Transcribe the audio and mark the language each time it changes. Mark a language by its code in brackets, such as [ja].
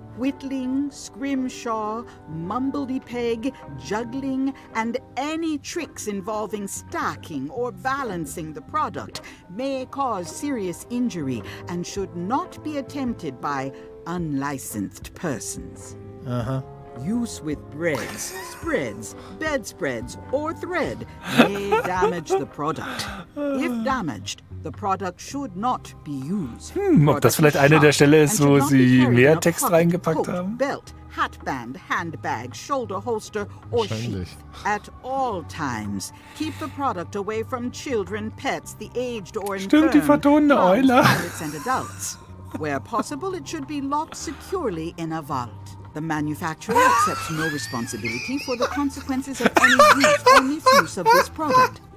[en] Whittling, scrimshaw, mumbledypeg, juggling, and any tricks involving stacking or balancing the product may cause serious injury and should not be attempted by unlicensed persons. Uh-huh. Use with breads, spreads, bedspreads, or thread may damage the product. If damaged, the product should not be used. [de] Hm, ob das vielleicht eine der Stelle ist, wo sie mehr Text reingepackt haben? [en] Belt, hatband, handbag, shoulder holster or sheath. At all times, keep the product away from children, pets, the aged or infirm. [de] Stimmt, die vertonende Eule. [en] And adults. Where possible, it should be locked securely in a vault. The manufacturer accepts no responsibility for the consequences of any use or misuse of this product.